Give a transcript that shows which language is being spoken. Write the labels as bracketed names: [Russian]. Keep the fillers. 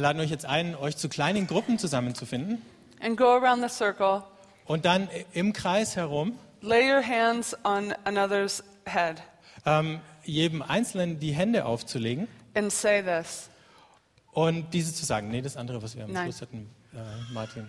[German] laden euch jetzt ein, euch zu kleinen Gruppen zusammenzufinden. [English] And go around the circle. [German] Und dann im Kreis herum. [English] Lay your hands on another's head. [German] Um, jedem einzelnen die Hände aufzulegen. [English] And say this. [German] Und diese zu sagen, nee, das andere, was wir am Schluss hatten, äh, Martin.